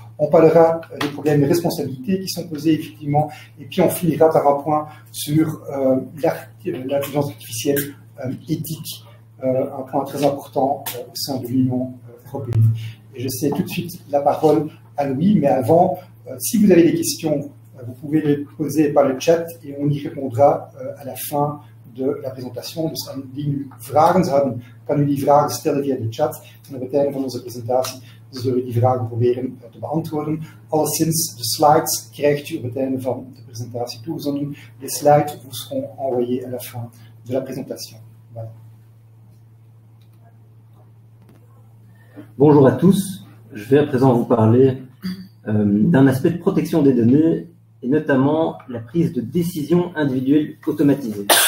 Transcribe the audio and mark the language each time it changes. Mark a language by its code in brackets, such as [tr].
[fr] On parlera des problèmes de responsabilité qui sont posés effectivement et puis on finira par un point sur l'intelligence artificielle éthique, un point très important au sein de l'Union européenne. Et je cède tout de suite la parole à Louis, mais avant, si vous avez des questions, vous pouvez les poser par le chat et on y répondra à la fin de la présentation. [nl] Dus indien u vragen zou hebben, kan u die vragen stellen via de chat. En op het einde van onze presentatie zullen we die vragen proberen te beantwoorden. Alleszins, de slides krijgt u op het einde van de presentatie toegezonden. [fr] Les slides vous seront envoyés à la fin de la présentation. Voilà. Bonjour à tous, je vais à présent vous parler d'un aspect de protection des données et notamment la prise de décision individuelle automatisée.